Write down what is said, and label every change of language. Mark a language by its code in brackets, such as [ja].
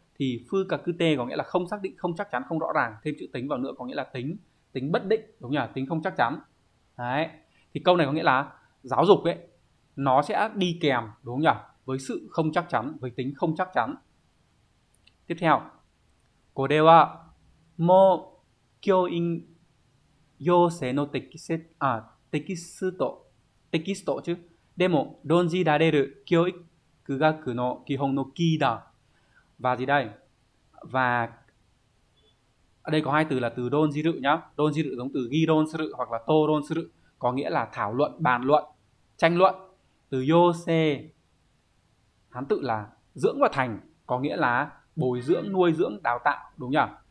[vi] Thì fukakute có nghĩa là không xác định, không chắc chắn, không rõ ràng. Thêm chữ tính vào nữa có nghĩa là tính bất định, đúng nhỉ? Tính không chắc chắn. Đấy, thì câu này có nghĩa là giáo dục ấy, nó sẽ đi kèm, đúng không nhỉ? Với sự không chắc chắn, với tính không chắc chắn. Tiếp theo. [ja] これはもう教員養成のテキセあテキストテキスト中でも論じられる教育学の基本のキーだ。 [vi] và gì đây? Và ở đây có hai từ là từ đôn di dự nhá. Đôn di dự giống từ ghi đôn sự hoặc là tô đôn sự, có nghĩa là thảo luận, bàn luận, tranh luận. Từ yose hán tự là dưỡng và thành, có nghĩa là bồi dưỡng, nuôi dưỡng, đào tạo, đúng nhỉ?